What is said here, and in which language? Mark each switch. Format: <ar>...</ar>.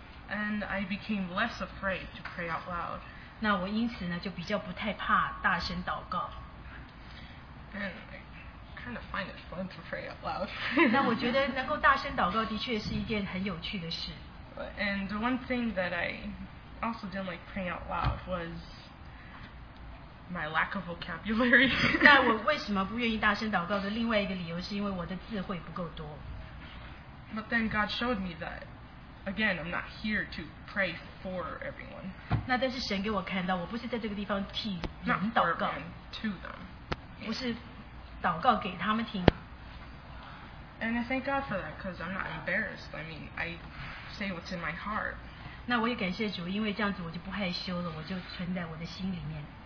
<en>And I became less afraid to pray out loud.</en> <zh>那我因此呢, 就比较不太怕大声祷告.</zh> <en>And I kind of find it fun to pray out loud.</en> <zh>那我觉得能够大声祷告的确是一件很有趣的事.</zh> <en>And the one thing that I also didn't like praying out loud was my lack of vocabulary.</en> <zh>那我为什么不愿意大声祷告的另外一个理由是因为我的智慧不够多.</zh> <en>But then God showed me that, again, I'm not here to pray for everyone.</en> <zh>那但是神给我看到, 我不是在这个地方替人祷告,</zh> <en>not for everyone, to them.</en> <zh>我是祷告给他们听.</zh> <en>And I thank God for that, because I'm not embarrassed. I mean, I say what's in my heart.</en> <zh>那我也感谢主, 因为这样子我就不害羞了, 我就存在我的心里面.</zh>